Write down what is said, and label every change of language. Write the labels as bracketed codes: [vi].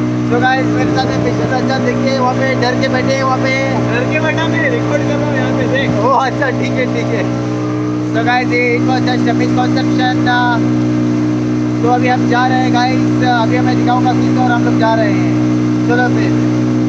[hi] So guys मेरे साथ है पीछे सज्जन, देखिए वहाँ पे डर के बैठे हैं, वहाँ पे डर के बैठा मैं रिकॉर्ड कर रहा हूँ यहाँ पे देख। ओह अच्छा ठीक है ठीक है। [en] So guys, it was just a misconception. [hi] तो अभी हम जा रहे हैं गाइस, अभी मैं दिखाऊंगा किस और हम लोग जा रहे हैं, चलो फिर।